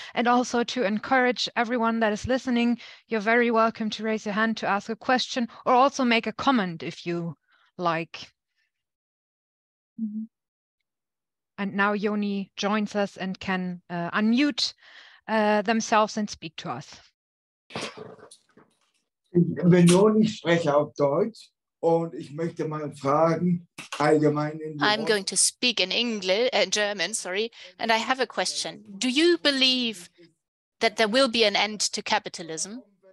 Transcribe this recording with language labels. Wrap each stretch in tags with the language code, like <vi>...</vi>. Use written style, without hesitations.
<en>And also to encourage everyone that is listening, you're very welcome to raise your hand to ask a question or also make a comment if you like. Mm-hmm. And now Yoni joins us and can unmute themselves and speak to us.</en> <de>Ich bin Yoni, spreche auf Deutsch und ich möchte mal fragen allgemein.</de> <en>I'm going to speak in English, German, sorry, and I have a question. Do you believe that there will be an end to capitalism?</en>